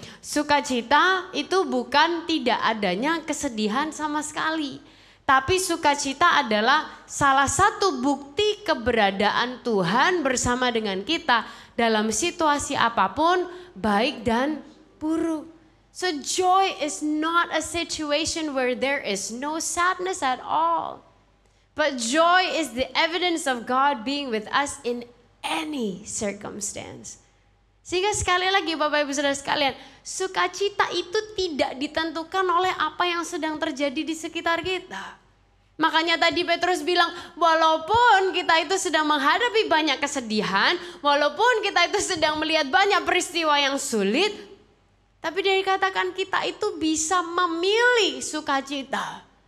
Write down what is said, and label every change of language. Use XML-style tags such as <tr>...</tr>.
<id>Sukacita itu bukan tidak adanya kesedihan sama sekali. Tapi sukacita adalah salah satu bukti keberadaan Tuhan bersama dengan kita dalam situasi apapun baik dan buruk.</id> <en>So joy is not a situation where there is no sadness at all. But joy is the evidence of God being with us in any circumstance.</en> <id>Sehingga sekali lagi Bapak Ibu Saudara sekalian, sukacita itu tidak ditentukan oleh apa yang sedang terjadi di sekitar kita. Makanya tadi Petrus bilang, walaupun kita itu sedang menghadapi banyak kesedihan, walaupun kita itu sedang melihat banyak peristiwa yang sulit, tapi dia katakan kita itu bisa memilih sukacita.</id>